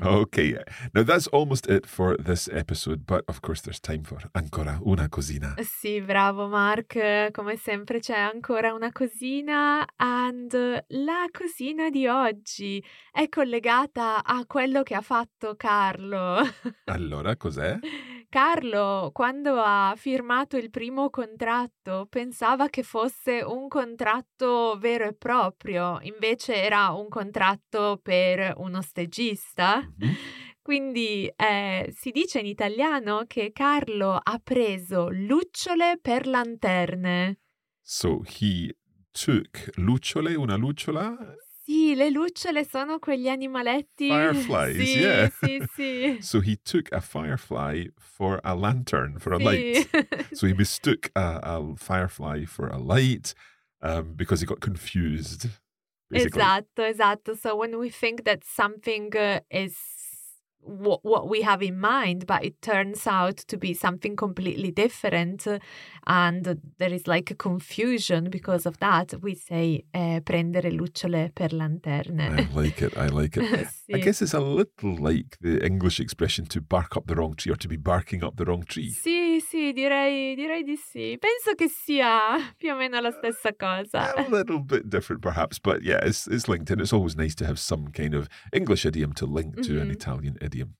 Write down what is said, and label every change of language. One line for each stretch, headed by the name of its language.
English: Okay, now that's almost it for this episode, but of course there's time for
Italian: ancora una cosina. Sì, bravo Mark, come sempre c'è ancora una cosina, and la cosina di oggi è collegata a quello che ha fatto Carlo. Allora, cos'è? Carlo, quando ha firmato il primo contratto, pensava che fosse un contratto vero e proprio, invece era un contratto per uno stagista. Quindi si dice in italiano che Carlo ha preso lucciole per lanterne.
English: So he took lucciole,
Italian: una lucciola? Sì, le lucciole sono quegli animaletti.
English: Fireflies,
Italian: sì,
English: yeah.
Italian: Sì, sì.
English: So he took a firefly for a lantern, for a
Italian: sì.
English: light. So he mistook a firefly for a light because he got confused. Basically.
Italian: Esatto, esatto.
English: So when we think that something is what we have in mind, but it turns out to be something completely different, and there is like a confusion because of that, we say
Italian: prendere lucciole per lanterne.
English: I like it.
Italian: Sì.
English: I guess it's a little like the English expression to bark up the wrong tree or to be barking up the wrong tree.
Italian: Sì, sì, direi di sì. Penso che sia più o meno la stessa cosa.
English: A little bit different perhaps, but yeah, it's linked, and it's always nice to have some kind of English idiom to link to an Italian idiom.